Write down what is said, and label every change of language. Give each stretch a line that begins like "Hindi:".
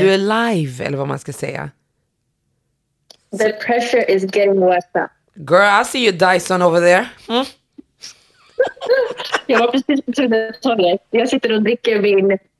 Swedish: Du är live, eller vad man ska säga.
English: The pressure is getting worse. Girl, I see you Dyson over there.
Swedish: Jag var precis på Tuletorget. Jag sitter och dricker vin.